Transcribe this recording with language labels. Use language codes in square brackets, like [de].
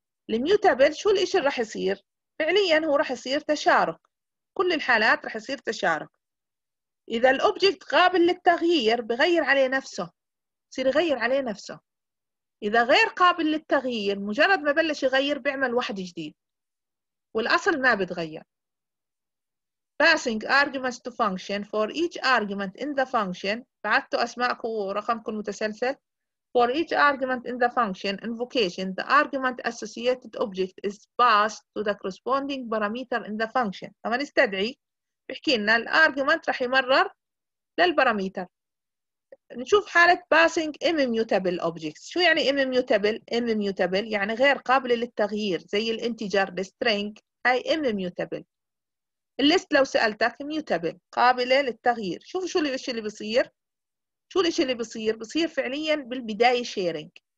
[ar] الميوتابل شو الاشي اللي راح يصير؟ فعليا هو راح يصير تشارك، كل الحالات راح يصير تشارك. اذا الاوبجكت قابل للتغيير بغير عليه نفسه، يصير يغير عليه نفسه. إذا غير قابل للتغيير مجرد ما بلش يغير بيعمل واحد جديد والأصل ما بتغير. [en] Passing arguments to function for each argument in the function، [ar] بعثتوا أسماءكم ورقمكم متسلسل. [en] For each argument in the function invocation the argument associated object is passed to the corresponding parameter in the function. [ar] لما نستدعي بحكي لنا الـ argument رح يمرر للبراميتر. نشوف حالة [en] passing immutable objects. [ar] شو يعني immutable؟ immutable يعني غير قابل للتغيير زي الانتجر string، هاي immutable. الليست لو سألتك immutable قابلة للتغيير، شوفوا شو الشيء اللي بصير، شو الشيء اللي بصير، بصير فعليا بالبداية sharing.